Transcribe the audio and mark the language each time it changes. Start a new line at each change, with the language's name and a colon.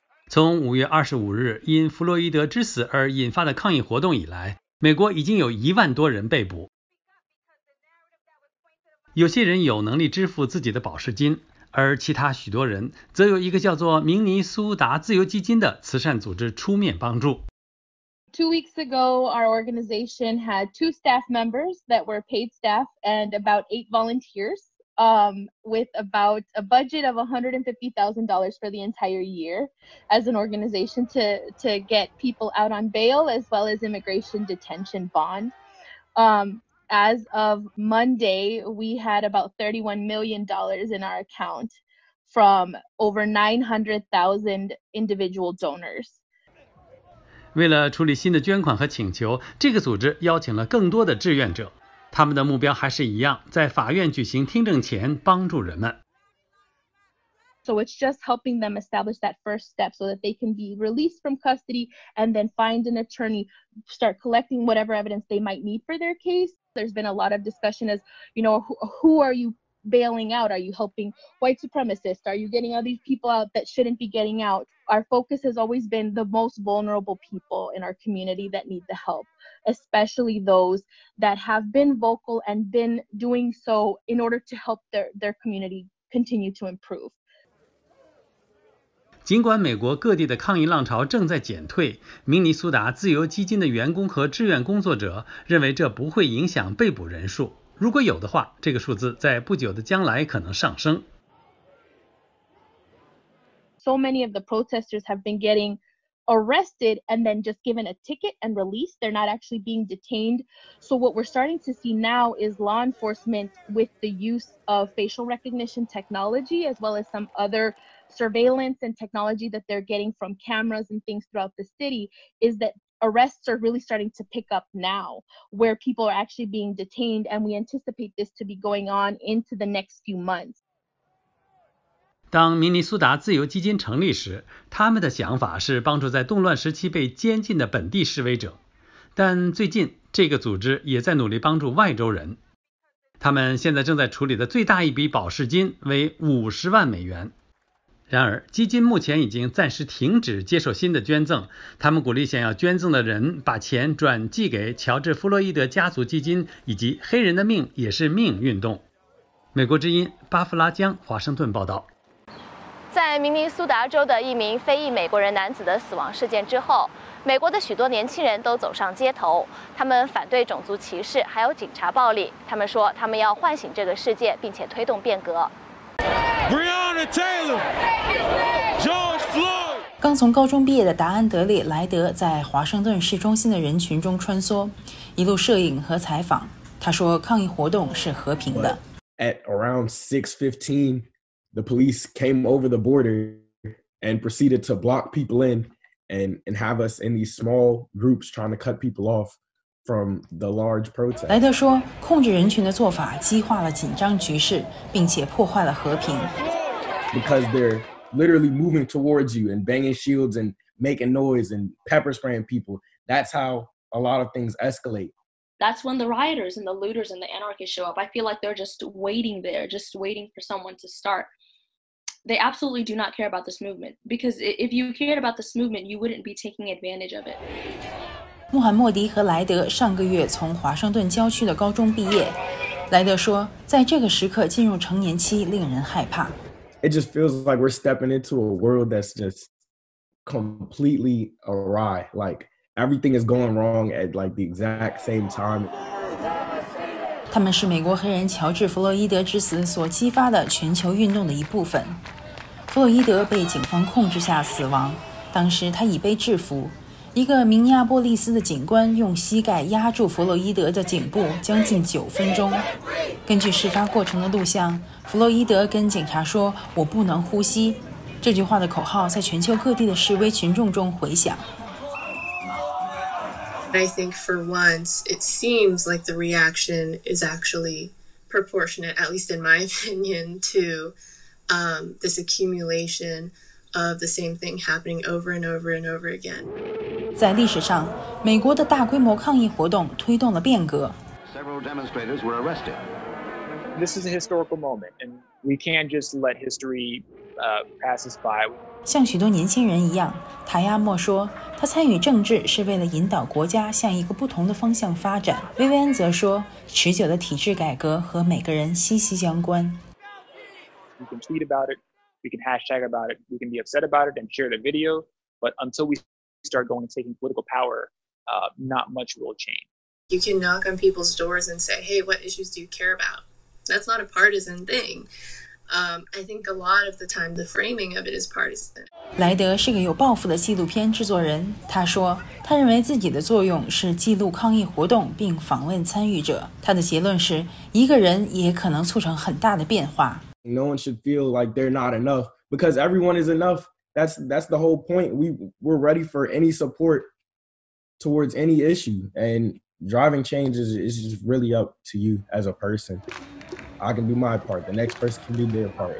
Chinese: 从5月25日因弗洛伊德之死而引发的抗议活动以来，美国已经有10000多人被捕。有些人有能力支付自己的保释金，而其他许多人则由一个叫做明尼苏达自由基金的慈善组织出面帮助。
English: 2 weeks ago, our organization had 2 staff members that were paid staff and about 8 volunteers, with about a budget of $150,000 for the entire year as an organization to get people out on bail as well as immigration detention bond. As of Monday, we had about $31 million in our account from over 900,000 individual donors.
Chinese: 为了处理新的捐款和请求，这个组织邀请了更多的志愿者。他们的目标还是一样，在法院举行听证前帮助人们。
English: So it's just helping them establish that first step so that they can be released from custody and then find an attorney, start collecting whatever evidence they might need for their case. There's been a lot of discussion as, you know, who are you bailing out? Are you helping white supremacists? Are you getting all these people out that shouldn't be getting out? Our focus has always been the most vulnerable people in our community that need the help, especially those that have been vocal and been doing so in order to help their community continue to improve.
Chinese: 尽管美国各地的抗议浪潮正在减退，明尼苏达自由基金的员工和志愿工作者认为这不会影响被捕人数。如果有的话，这个数字在不久的将来可能上升。
English: So many of the protesters have been getting arrested and then just given a ticket and released. They're not actually being detained. So what we're starting to see now is law enforcement with the use of facial recognition technology as well as some other surveillance and technology that they're getting from cameras and things throughout the city is that arrests are really starting to pick up now where people are actually being detained and we anticipate this to be going on into the next few months.
Chinese: 当明尼苏达自由基金成立时，他们的想法是帮助在动乱时期被监禁的本地示威者，但最近这个组织也在努力帮助外州人。他们现在正在处理的最大一笔保释金为$500,000。然而，基金目前已经暂时停止接受新的捐赠。他们鼓励想要捐赠的人把钱转寄给乔治·弗洛伊德家族基金以及“黑人的命也是命”运动。美国之音巴夫拉江华盛顿报道。在明尼苏达州的一名非裔美国人男子的死亡事件之后，美国的许多年轻人都走上街头，他们反对种族歧视，还有警察暴力。他们说，他们要唤醒这个世界，并且推动变革。
English: Breonna Taylor, George Floyd.
Chinese: 刚从高中毕业的达安·德里·莱德在华盛顿市中心的人群中穿梭，一路摄影和采访。他说，抗议活动是和平的。
English: At around 6:15, the police came over the border and proceeded to block people in and have us in these small groups trying to cut people off from the large protest.
Chinese: 莱德说，控制人群的做法激化了紧张局势，并且破坏了和平。
English: Because they're literally moving towards you and banging shields and making noise and pepper spraying people. That's how a lot of things escalate. That's when the rioters and the looters and the anarchists show up. I feel like they're just waiting there, just waiting for someone to start. They absolutely do not care about this movement. Because if you cared about this movement, you wouldn't be taking advantage of it.
Chinese: 穆罕默迪和莱德上个月从华盛顿郊区的高中毕业。莱德说，在这个时刻进入成年期令人害怕。
English: It just feels like we're stepping into a world that's just completely awry. Like everything is going wrong at like the exact same time.
Chinese: 他们是美国黑人乔治·弗洛伊德之死所激发的全球运动的一部分。弗洛伊德被警方控制下死亡，当时他已被制服。一个明尼阿波利斯的警官用膝盖压住弗洛伊德的颈部将近9分钟。根据事发过程的录像，弗洛伊德跟警察说，我不能呼吸。这句话的口号在全球各地的示威群众中回响。
English: I think for once, it seems like the reaction is actually proportionate, at least in my opinion, to, this accumulation of the same thing happening over and over and over again.
Chinese: 在历史上，美国的大规模抗议活动推动了变革。
English: Several demonstrators were arrested. This is a historical moment, and we can't just let history pass us by.
Chinese: 像许多年轻人一样，塔亚莫说，他参与政治是为了引导国家向一个不同的方向发展。薇薇安则说，持久的体制改革和每个人息息相关。
English: We can tweet about it, we can hashtag about it, we can be upset about it and share the video, but until we start going and taking political power, not much will change. You can knock on people's doors and say, hey, what issues do you care about? That's not a partisan thing. I think a lot of the time the framing of it is partisan.
Chinese: 莱德是个有抱负的纪录片制作人，他说他认为自己的作用是记录抗议活动并访问参与者。他的结论是一个人也可能促成很大的变化。
English: No one should feel like they're not enough because everyone is enough. That's the whole point. We're ready for any support towards any issue. And driving change is just really up to you as a person. I can do my part. The next person can do their part.